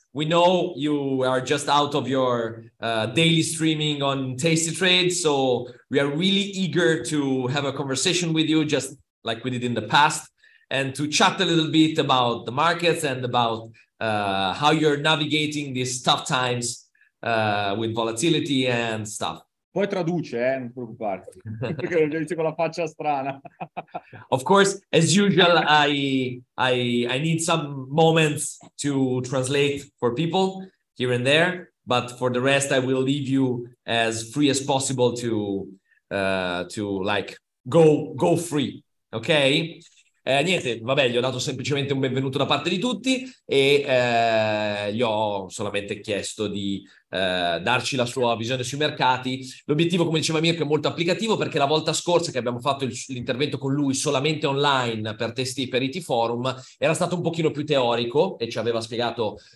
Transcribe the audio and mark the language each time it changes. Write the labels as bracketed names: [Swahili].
[English] We know you are just out of your daily streaming on tastytrade, so we are really eager to have a conversation with you, just like we did in the past, and to chat a little bit about the markets and about how you're navigating these tough times with volatility and stuff. [Italian] Poi traduce, non ti preoccupare. Perché ho già visto con la faccia strana. [English] Of course, as usual, I need some moments to translate for people here and there. But for the rest, I will leave you as free as possible to like go free. Ok? [Italian] Niente, vabbè, gli ho dato semplicemente un benvenuto da parte di tutti e gli ho solamente chiesto di darci la sua visione sui mercati. L'obiettivo, come diceva Mirko, è molto applicativo, perché la volta scorsa che abbiamo fatto l'intervento con lui solamente online per testi per ITForum era stato un pochino più teorico e ci aveva spiegato